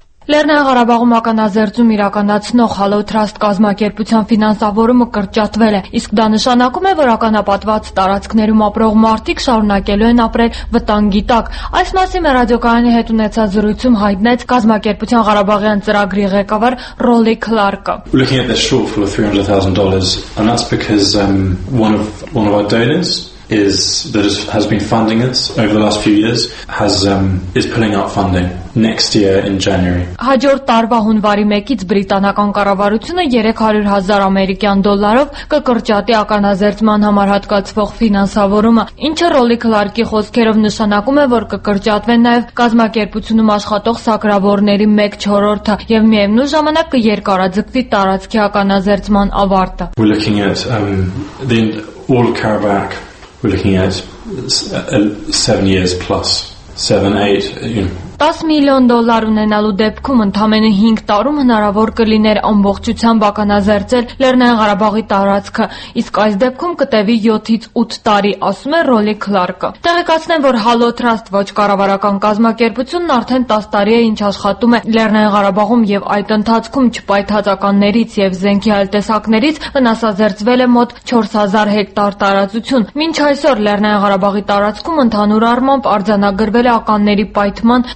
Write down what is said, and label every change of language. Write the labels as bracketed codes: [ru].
[hy] Լեռնային Ղարաբաղում ականաձերծում իրականացնող Հալոթրաստ կազմակերպության ֆինանսավորումը կրճատվել է, իսկ դա նշանակում է, որ ականապատված տարածքներում ապրող մարդիկ շարունակելու են ապրել վտանգի տակ։ Այս մասին ռադիոկայանի հետ ունեցած զրույցում հայտնեց կազմակերպության Ղարաբաղյան ծրագրի ղեկավար Ռոլի Քլարկը։ [en] Looking at the shortfall of $300,000, and that's because one of our donors has been funding it over the last few years is pulling out funding next year in January. [hy] Հաջորդ տարվա հունվարի 1-ից բրիտանական կառավարությունը $300,000 կկրճատի ականաձերծման համար հատկացվող ֆինանսավորումը, ինչը Ռոլի Քլարկի խոսքերով նշանակում է, որ կկրճատվեն նաև կազմակերպությունում աշխատող սակրավորների 1/4-ը եւ միևնույն ժամանակ կերկարաձգվի տարածքի ականաձերծման ավարտը։ [en] We're looking at the old Karabakh. We're looking at 7 years plus, 7-8, you know. [hy] $10 million ունենալու դեպքում ընդամենը 5 տարում հնարավոր կլիներ ամբողջությամբ ականաձերծել Լեռնային Ղարաբաղի տարածքը, իսկ այս դեպքում կտևի 7-8 տարի, ասում է Ռոլի Քլարկը։ Տեղեկացնեմ, որ Հալոթրաստ ոչ կառավարական կազմակերպությունն արդեն 10 տարի է ինչ աշխատում է Լեռնային Ղարաբաղում, եւ այդ ընթացքում չպայթացականներից եւ զենքի այլ տեսակներից վնասազերծվել է մոտ 4000 հեկտար տարածություն։ Մինչ այսօր Լեռնային Ղարաբաղի տարածքում ընդհանուր առմամբ արձանագրվել է ականների պայթման